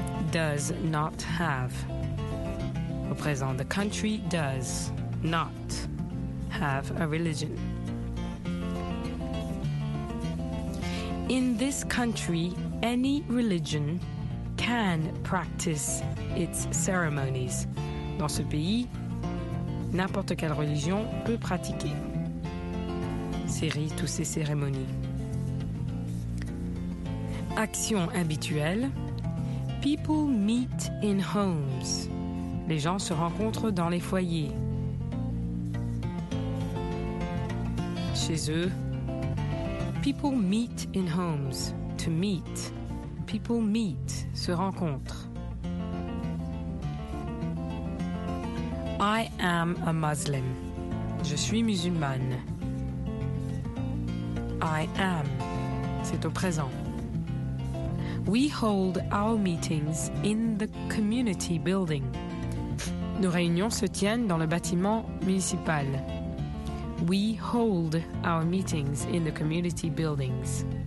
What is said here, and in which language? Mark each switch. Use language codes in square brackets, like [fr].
[en] Does not have. [fr] Au présent, [en] the country does not have a religion. In this country, any religion can practice its ceremonies. [fr] Dans ce pays, n'importe quelle religion peut pratiquer toutes ces cérémonies. Action habituelle. [en] People meet in homes. [fr] Les gens se rencontrent dans les foyers. Chez eux. [en] People meet in homes. To meet. People meet. [fr] Se rencontrent. [en] I am a Muslim. [fr] Je suis musulmane. [en] I am. [fr] C'est au présent. [en] We hold our meetings in the community building. [fr] Nos réunions se tiennent dans le bâtiment municipal. [en] We hold our meetings in the community buildings.